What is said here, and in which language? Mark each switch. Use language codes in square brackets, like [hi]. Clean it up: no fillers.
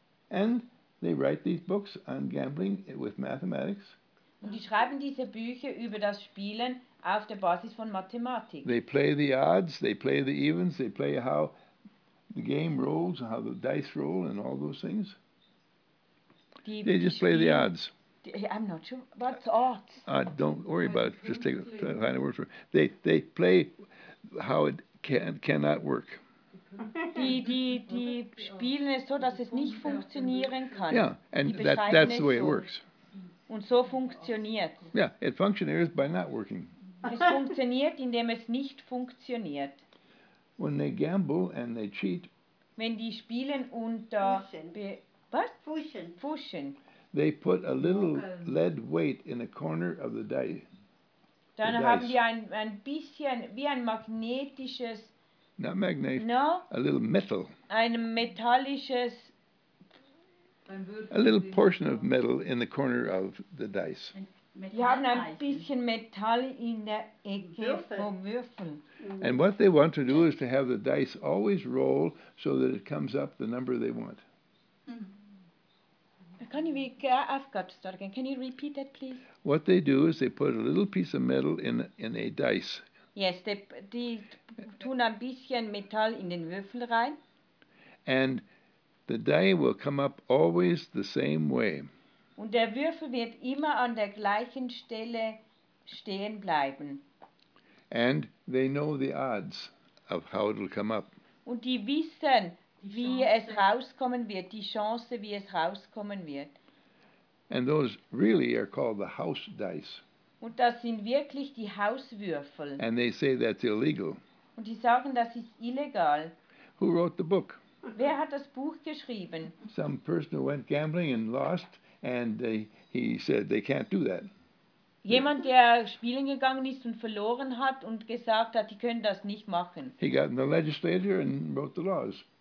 [en] And they write these books on gambling with mathematics. [de] Und die schreiben diese Bücher über das Spielen auf der Basis von Mathematik. [en] They play the odds, they play the evens, they play how the game rolls, how the dice roll and all those things. They just play the odds. I'm not sure. What's odds? Don't worry about it. Just take a final word for it. They play how it cannot work. [de] Die spielen es so, dass es nicht funktionieren kann. [en] Yeah, and that's the way it works. [de] Und so funktioniert. [en] Yeah, it functions by not working. [de] Es funktioniert, indem es nicht funktioniert. [en] When they gamble and they cheat. [de] Wenn die spielen und da [en] What? [de] Fushen. Fushen. [en] They put a little lead weight in the corner of the dice. [de] Dann haben wir ein bisschen wie ein magnetisches. [en] Not magnetic. No. A little metal. [de] Ein metallisches. [en] A little portion of metal in the corner of the dice. [de] Wir haben ein bisschen Metall in der Ecke vom Würfel. [en] And what they want to do is to have the dice always roll so that it comes up the number they want. Can you, I've got to start again. Can you repeat that, please? What they do is they put a little piece of metal in a dice. Yes, they [de] tun ein bisschen Metall in den Würfel rein. [en] And the die will come up always the same way. [de] Und der Würfel wird immer an der gleichen Stelle stehen bleiben. [en] And they know the odds of how it'll come up. [de] Und die wissen, wie es rauskommen wird, die Chance, wie es rauskommen wird. [en] And those really are called the house dice. [de] Und das sind wirklich die Hauswürfel. [en] And they say that's illegal. [de] Und die sagen, das ist illegal. [en] Who wrote the book? [de] Wer hat das Buch geschrieben? [en] Some person who went gambling and lost, and he said they can't do that. [de] Jemand, der spielen gegangen ist und verloren hat und gesagt hat, die können das nicht machen. [en] He got in the legislature and wrote the laws.